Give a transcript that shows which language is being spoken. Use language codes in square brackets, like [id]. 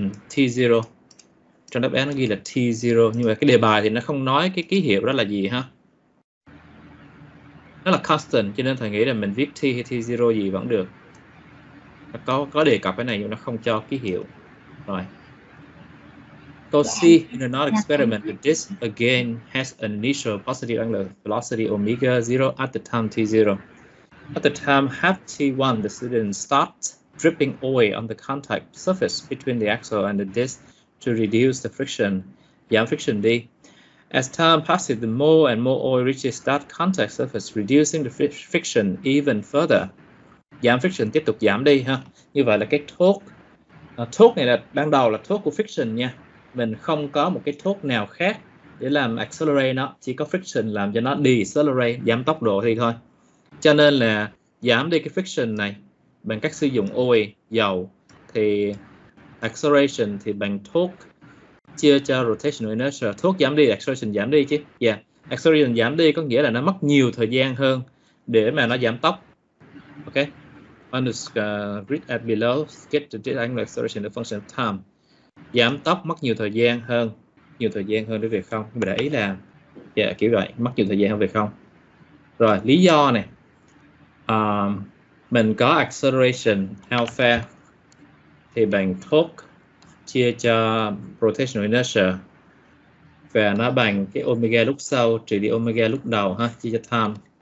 [vi] T0. Trong đáp án nó ghi là T0 nhưng mà cái đề bài thì nó không nói cái ký hiệu đó là gì ha. Nó là constant cho nên thầy nghĩ là mình viết T hay T0 gì vẫn được. Nó có đề cập cái này nhưng nó không cho ký hiệu. Rồi. [en] Câu C, in another experiment, the disk again has an initial positive angular velocity omega 0 at the time T0. At the time half T1, the student stopped dripping oil on the contact surface between the axle and the disk to reduce the friction, [vi] giảm friction đi. [en] As time passes, the more and more oil reaches that contact surface, reducing the friction even further. [vi] Giảm friction tiếp tục giảm đi ha. Như vậy là cái torque. Torque này là ban đầu là torque của friction nha. Mình không có một cái torque nào khác để làm accelerate nó, chỉ có friction làm cho nó decelerate, giảm tốc độ thì thôi. Cho nên là giảm đi cái friction này bằng cách sử dụng oil, dầu thì acceleration thì bằng torque chia cho rotational inertia. Torque giảm đi, acceleration giảm đi chứ. Yeah, acceleration giảm đi có nghĩa là nó mất nhiều thời gian hơn để mà nó giảm tốc. [en] Ok. On the grid at below, sketch the disk angular acceleration the function of time. [vi] Giảm tốc mất nhiều thời gian hơn. Nhiều thời gian hơn đối với không. Mình để ý là yeah, kiểu vậy, mất nhiều thời gian hơn về không. Rồi, lý do này. Mình có acceleration alpha thì bằng torque chia cho rotational inertia và nó bằng cái omega lúc sau trừ đi omega lúc đầu ha, chia cho time.